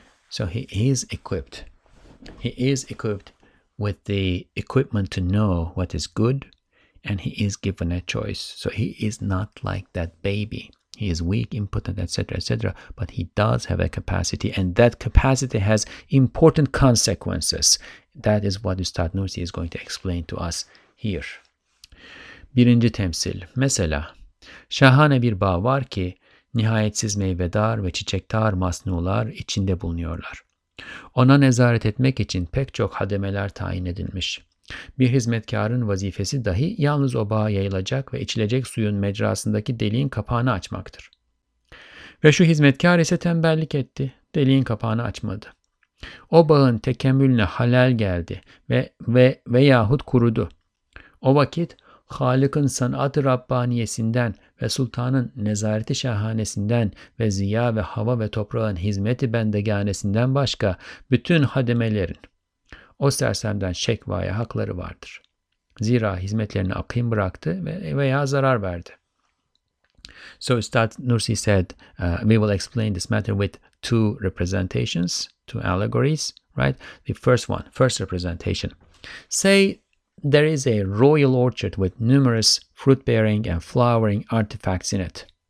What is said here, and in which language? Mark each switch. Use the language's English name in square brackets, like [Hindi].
[English] So he is equipped with the equipment to know what is good, and he is given a choice. So he is not like that baby. He is weak, impotent, etc., etc., but he does have a capacity, and that capacity has important consequences. That is what Üstad Nursi is going to explain to us here. [Turkish] Birinci temsil. Mesela, şahane bir bağ var ki nihayetsiz meyvedar ve çiçektar masnular içinde bulunuyorlar. Ona nezaret etmek için pek çok hademeler tayin edilmiş. Bir hizmetkarın vazifesi dahi yalnız o bağa yayılacak ve içilecek suyun mecrasındaki deliğin kapağını açmaktır. Ve şu hizmetkar ise tembellik etti, deliğin kapağını açmadı. O bağın tekemmülüne halel geldi veyahut kurudu. O vakit Halık'ın sanat-ı Rabbaniyesinden ve Sultan'ın nezareti şahanesinden ve ziya ve hava ve toprağın hizmeti bendeganesinden başka bütün hademelerin o sersemden şekvaya hakları vardır. Zira hizmetlerini akayım bıraktı veya zarar verdi. [English] So Üstad Nursi said, we will explain this matter with two representations, two allegories, right? The first one, first representation. Say there is a royal orchard with numerous fruit-bearing and flowering artifacts in it.